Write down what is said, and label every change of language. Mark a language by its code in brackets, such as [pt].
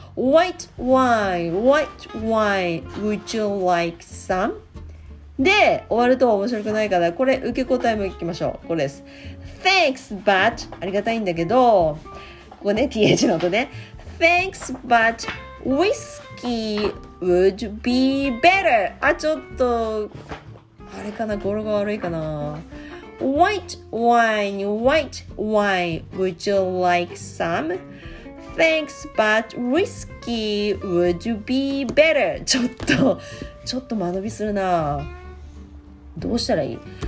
[en] White wine, white wine, would you like some? [ja] で終わると面白くないから、これ受け答えもいきましょう。これです。 [en] Thanks, but、 [ja] ありがたいんだけど、ここね TH の音ね。 [en] Thanks, but whiskeyWould be better。 [ja] あ、ちょっとあれかな、語呂が悪いかな。 [en] White wine, white wine, would you like some? Thanks, but whiskey would be better。 [ja] ちょっと間延びするな、どうしたらいい。